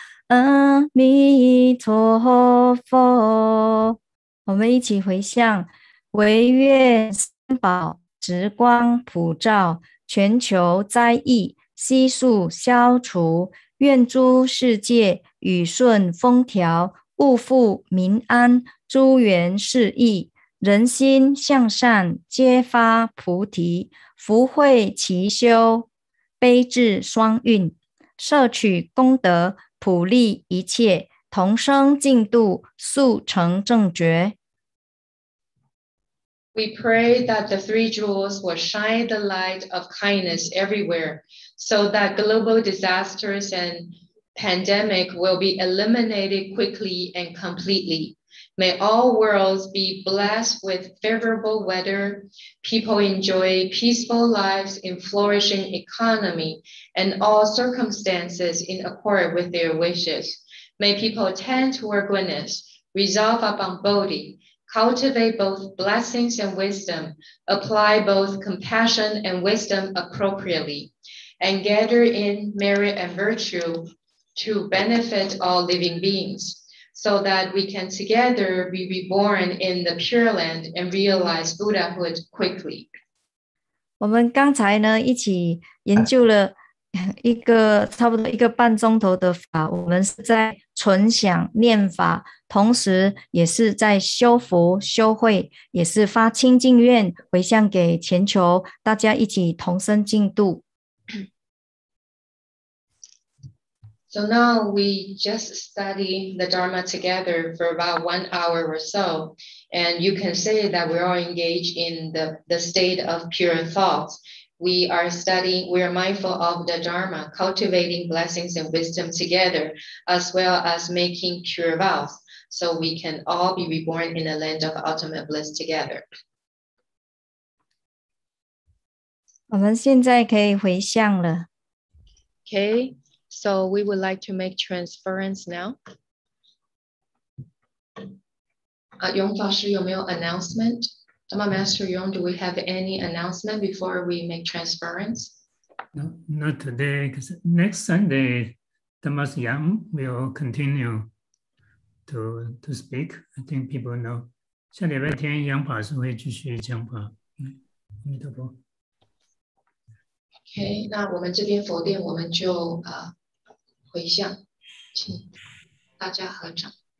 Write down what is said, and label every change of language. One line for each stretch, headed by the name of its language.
Chinese: 阿弥陀佛，我们一起回向，唯愿三宝直光普照，全球灾疫悉数消除，愿诸世界雨顺风调，物阜民安，诸缘适宜，人心向善，皆发菩提，福慧齐修，悲智双运，摄取功德普利一切，同生净土，速成正觉。
English: We pray that the three jewels will shine the light of kindness everywhere, so that global disasters and pandemic will be eliminated quickly and completely. May all worlds be blessed with favorable weather, people enjoy peaceful lives in flourishing economy, and all circumstances in accord with their wishes. May people tend toward goodness, resolve upon Bodhi, cultivate both blessings and wisdom, apply both compassion and wisdom appropriately, and gather in merit and virtue to benefit all living beings. So that we can together be reborn in the Pure Land and realize Buddhahood quickly.
Chinese: 我们刚才呢一起研究了一个差不多一个半钟头的法，我们是在纯想念法，同时也是在修福修慧，也是发清净愿回向给全球，大家一起同生净土。
English: So now we just study the Dharma together for about 1 hour or so. And you can say that we're all engaged in the state of pure thoughts. We are studying, we are mindful of the Dharma, cultivating blessings and wisdom together, as well as making pure vows. So we can all be reborn in a land of ultimate bliss together.
Chinese: 我们现在可以回向了。
English: Okay. So we would like to make transference now. Yong法师,
Chinese: 有没有
English: announcement? Dhamma Master Yong, do we have any announcement before we make transference? No, not today, because next Sunday, Dhamma Yang will continue to speak. I think people know.
Chinese: 下礼拜天杨法师会继续讲法。阿弥陀佛。 OK, 那我们这边佛殿我们就回向，请大家合掌。